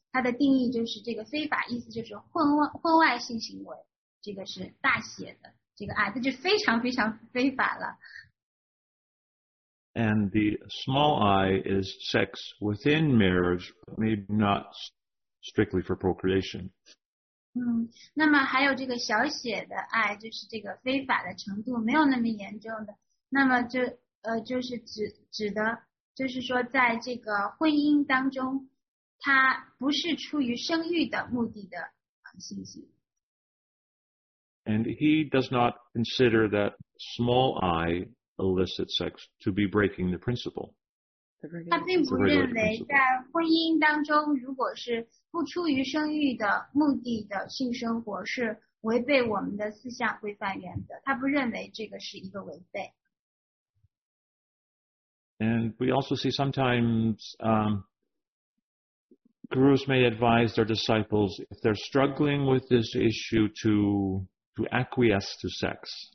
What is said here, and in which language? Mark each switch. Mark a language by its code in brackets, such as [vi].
[zh] 它的定义就是这个非法，意思就是婚外性行为。这个是大写的这个 I， 这就非常非常非法了。 [en] And the small I is sex within marriage, but maybe not strictly for procreation. [zh] 那么还有这个小写的爱，就是这个非法的程度没有那么严重的，那么就就是指的，就是说在这个婚姻当中，它不是出于生育的目的的性行为。 [en] And he does not consider that small I illicit sex to be breaking the principle. [zh] 他并不认为在婚姻当中如果是不出于生育的目的的性生活是违背我们的四项规范原则，他不认为这个是一个违背。 [en] And we also see sometimes gurus may advise their disciples if they're struggling with this issue to acquiesce to sex.